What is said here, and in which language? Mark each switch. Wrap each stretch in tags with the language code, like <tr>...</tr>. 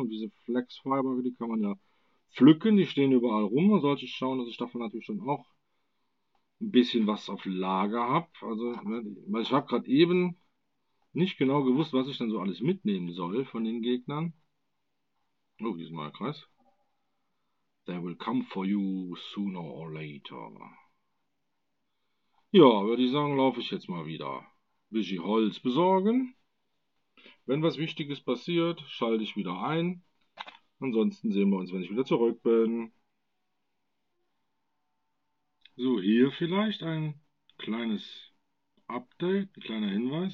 <de>Und diese Flax Fiber, die kann man ja pflücken. Die stehen überall rum. Man sollte schauen, dass ich davon natürlich schon auch ein bisschen was auf Lager habe. Also, weil ich habe gerade eben nicht genau gewusst, was ich denn so alles mitnehmen soll von den Gegnern. Oh, hier ist mal ein Kreis.</de> <en>They will come for you sooner or later.</en> <de>Ja, würde ich sagen, laufe ich jetzt mal wieder. Bisschen Holz besorgen. Wenn was Wichtiges passiert, schalte ich wieder ein. Ansonsten sehen wir uns, wenn ich wieder zurück bin. So, hier vielleicht ein kleines Update, ein kleiner Hinweis.</de>